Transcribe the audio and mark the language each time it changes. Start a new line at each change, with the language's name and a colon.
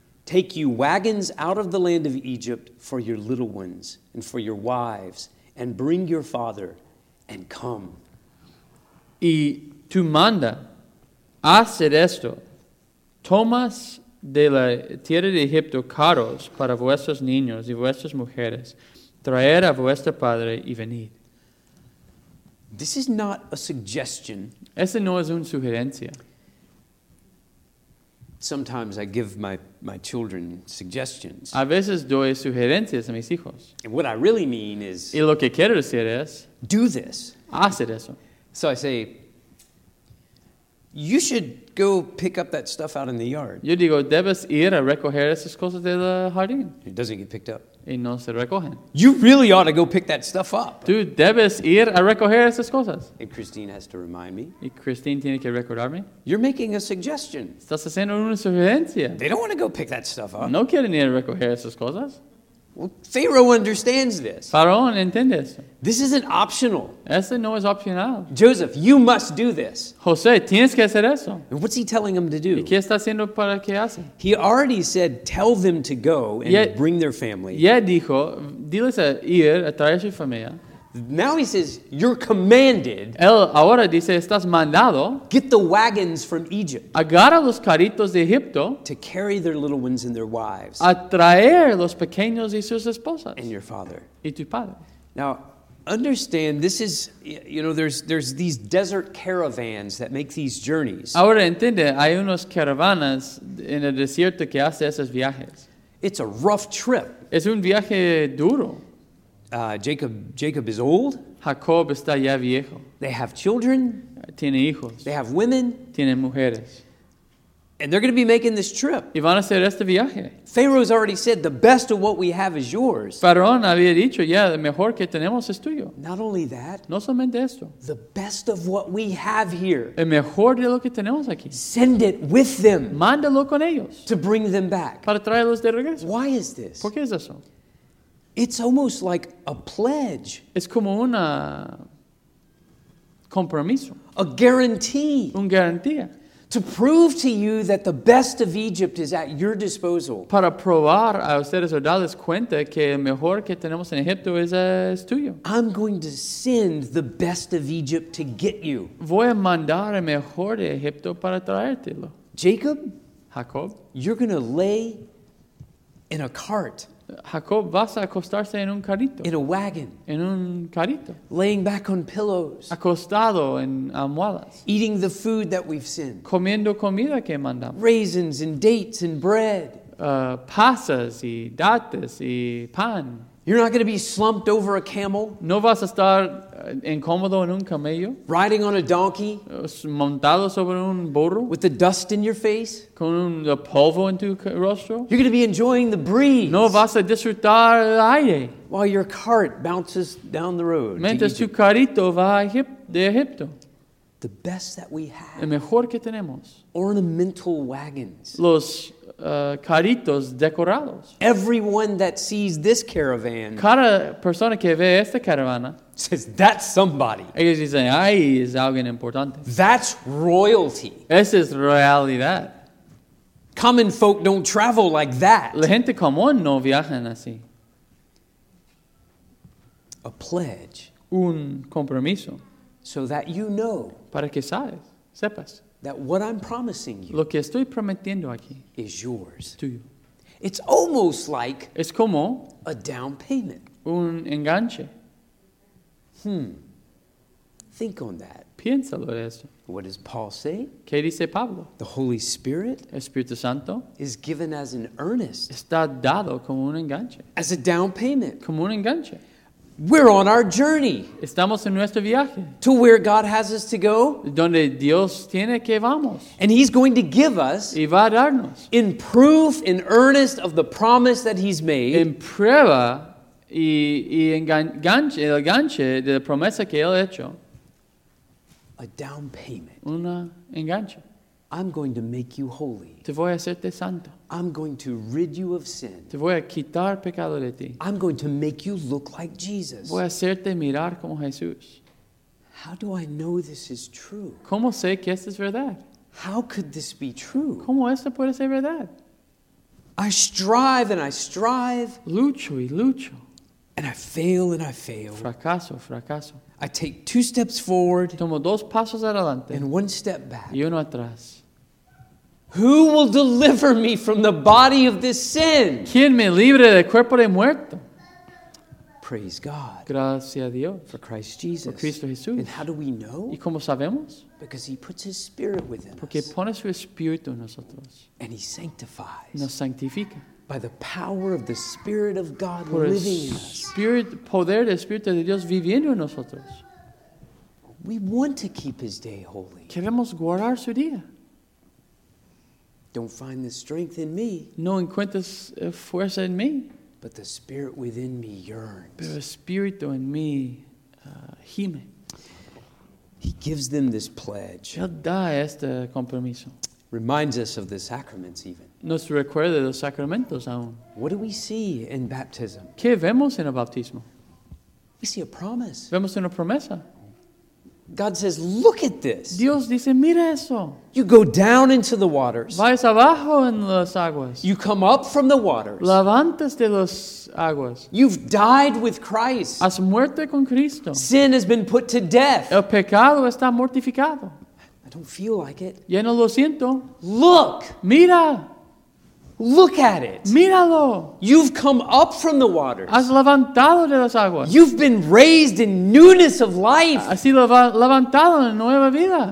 English: Take you wagons out of the land of Egypt for your little ones and for your wives, and bring your father and come.
Spanish: Y tú manda, haced esto, tomas de la tierra de Egipto carros para vuestros niños y vuestras mujeres, traer a vuestro padre y venid.
English: This is not a suggestion.
Spanish: Esa no es una sugerencia.
English: Sometimes I give my children suggestions.
Spanish: A veces doy sugerencias a mis hijos.
English: And what I really mean is,
Spanish: y lo que quiero decir es,
English: do this.
Spanish: Haced eso.
English: So I say, you should go pick up that stuff out in the yard.
Spanish: Yo digo, debes ir a recoger esas cosas del jardín.
English: It doesn't get picked up.
Spanish: Y no se recogen.
English: You really ought to go pick that stuff up.
Spanish: Tú debes ir a recoger esas cosas.
English: And Christine has to remind me.
Spanish: Y Christine tiene que recordarme.
English: You're making a suggestion.
Spanish: Estás haciendo una sugerencia.
English: They don't want to go pick that stuff up.
Spanish: No quieren ir a recoger esas cosas.
English: Well, Pharaoh understands this.
Spanish: Faraón entiende eso.
English: This isn't optional.
Spanish: Eso no es opcional.
English: Joseph, you must do this.
Spanish: José, tienes que hacer eso.
English: And what's he telling them to do?
Spanish: ¿Y qué está haciendo para que hacen?
English: He already said, tell them to go and bring their family.
Spanish: Ya dijo, diles a ir a traer su familia.
English: Now he says, you're commanded.
Spanish: Él ahora dice, estás mandado.
English: Get the wagons from Egypt.
Spanish: Agarra los carritos de Egipto.
English: To carry their little ones and their wives.
Spanish: A traer los pequeños y sus esposas.
English: And your father.
Spanish: Y tu padre.
English: Now, understand, this is, you know, there's these desert caravans that make these journeys.
Spanish: Ahora entiende, hay unos caravanas en el desierto que hace esos viajes.
English: It's a rough trip.
Spanish: Es un viaje duro.
English: Jacob is old.
Spanish: Jacob está ya viejo.
English: They have children.
Spanish: Tiene hijos.
English: They have women.
Spanish: Tienen mujeres.
English: And they're going to be making this trip.
Spanish: Y van a hacer este viaje.
English: Pharaoh's already said, the best of what we have is yours.
Spanish: Faraón había dicho, ya, el mejor que tenemos es tuyo.
English: Not only that.
Spanish: No solamente esto.
English: The best of what we have here.
Spanish: El mejor de lo que tenemos aquí.
English: Send it with them.
Spanish: Mándalo con ellos.
English: To bring them back.
Spanish: Para traerlos de regreso.
English: Why is this?
Spanish: ¿Por qué es eso?
English: It's almost like a pledge.
Spanish: Es como una compromiso.
English: A guarantee.
Spanish: Un garantía.
English: To prove to you that the best of Egypt is at your disposal.
Spanish: Para probar a ustedes o darles cuenta que el mejor que tenemos en Egipto es tuyo.
English: I'm going to send the best of Egypt to get you.
Spanish: Voy a mandar el mejor de Egipto para traértelo.
English: Jacob.
Spanish: Jacob.
English: You're going to lay in a cart.
Spanish: Jacob, vas a acostarse en un carrito.
English: In a wagon.
Spanish: En un carrito.
English: Laying back on pillows.
Spanish: Acostado en almohadas.
English: Eating the food that we've sent.
Spanish: Comiendo comida que mandamos.
English: Raisins and dates and bread.
Spanish: Pasas y dates y pan.
English: You're not going to be slumped over a camel.
Spanish: No vas a estar incómodo en un camello.
English: Riding on a donkey.
Spanish: Montado sobre un burro.
English: With the dust in your face.
Spanish: Con un polvo en tu rostro.
English: You're going to be enjoying the breeze.
Spanish: No vas a disfrutar el aire.
English: While your cart bounces down the road.
Spanish: Mientras tu carrito va de Egipto.
English: The best that we have.
Spanish: El mejor que tenemos.
English: Ornamental wagons.
Spanish: Los carritos decorados.
English: Everyone that sees this caravan.
Spanish: Cada persona que ve esta caravana.
English: Says, that's somebody.
Spanish: Ellos dicen, ahí es alguien importante.
English: That's royalty.
Spanish: Esa es realidad.
English: Common folk don't travel like that.
Spanish: La gente común no viajan así.
English: A pledge.
Spanish: Un compromiso.
English: So that you know.
Spanish: Para que sabes, sepas.
English: That what I'm promising you
Spanish: lo que estoy prometiendo aquí
English: is yours.
Spanish: Tuyo.
English: It's almost like
Spanish: es como
English: a down payment.
Spanish: Un enganche.
English: Think on that.
Spanish: Piénsalo de eso.
English: What does Paul say?
Spanish: ¿Qué dice Pablo?
English: The Holy Spirit
Spanish: Espíritu Santo
English: is given as an earnest.
Spanish: Está dado como un enganche.
English: As a down payment.
Spanish: Como un enganche.
English: We're on our journey.
Spanish: Estamos en nuestro viaje.
English: To where God has us to go.
Spanish: Donde Dios tiene que vamos.
English: And He's going to give us.
Spanish: Y va a darnos.
English: In proof, in earnest of the promise that He's made.
Spanish: En prueba y en ganche, el ganche de la promesa que Él ha hecho.
English: A down payment.
Spanish: Una enganche.
English: I'm going to make you holy.
Spanish: Te voy a hacerte santo.
English: I'm going to rid you of sin.
Spanish: Te voy a quitar pecado de ti.
English: I'm going to make you look like Jesus.
Spanish: Voy a hacerte mirar como Jesús.
English: How do I know this is true?
Spanish: ¿Cómo sé que esto es verdad?
English: How could this be true?
Spanish: ¿Cómo esto puede ser verdad?
English: I strive and I strive.
Spanish: Lucho y lucho.
English: And I fail and I fail.
Spanish: Fracaso, fracaso.
English: I take two steps forward.
Spanish: Tomo dos pasos adelante.
English: And one step back.
Spanish: Y uno atrás.
English: Who will deliver me from the body of this sin?
Spanish: ¿Quién me libre del cuerpo de muerto?
English: Praise God.
Spanish: Gracias a Dios.
English: For Christ Jesus.
Spanish: Por Cristo Jesús.
English: And how do we know?
Spanish: ¿Y cómo sabemos?
English: Because He puts His Spirit within
Spanish: Porque
English: us.
Spanish: Pone su espíritu en nosotros.
English: And He sanctifies.
Spanish: Nos sanctifica.
English: By the power of the Spirit of God
Spanish: Por
English: living in us.
Spanish: Spirit, poder del Espíritu de Dios viviendo en nosotros.
English: We want to keep His day holy.
Spanish: Queremos guardar su día.
English: Don't find the strength in me.
Spanish: No encuentras fuerza en mí.
English: But the Spirit within me yearns.
Spanish: Pero el Espíritu en mí gime.
English: He gives them this pledge.
Spanish: Él da este compromiso.
English: Reminds us of the sacraments even.
Spanish: Nos recuerda de los sacramentos aún.
English: What do we see in baptism?
Spanish: ¿Qué vemos en el bautismo?
English: We see a promise.
Spanish: Vemos una promesa.
English: God says, look at this.
Spanish: Dios dice, mira eso.
English: You go down into the waters.
Spanish: Vais abajo en las aguas.
English: You come up from the waters.
Spanish: Levantas de las aguas.
English: You've died with Christ.
Spanish: Has muerto con Cristo.
English: Sin has been put to death.
Spanish: El pecado está mortificado.
English: I don't feel like it.
Spanish: Ya no lo siento.
English: Look.
Spanish: Mira.
English: Look at it.
Spanish: Míralo.
English: You've come up from the waters.
Spanish: Has levantado de las aguas.
English: You've been raised in newness of life.
Spanish: Has sido levantado en nueva vida.